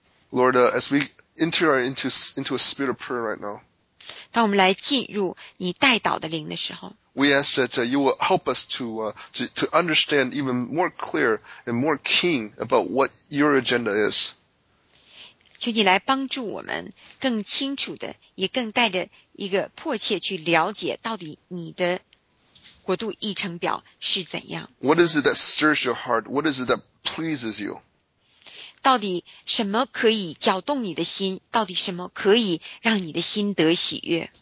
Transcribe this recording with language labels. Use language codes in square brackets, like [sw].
[en] Lord, as we enter into a spirit of prayer right now, [zh] 当我们来进入你带祷的灵的时候， [en] we ask that you will help us to understand even more clear and more keen about what your agenda is. [zh] 求你来帮助我们更清楚的，也更带着一个迫切去了解到底你的国度议程表是怎样。 [en] What is it that stirs your heart? What is it that pleases you? [zh] 到底什么可以搅动你的心？到底什么可以让你的心得喜悦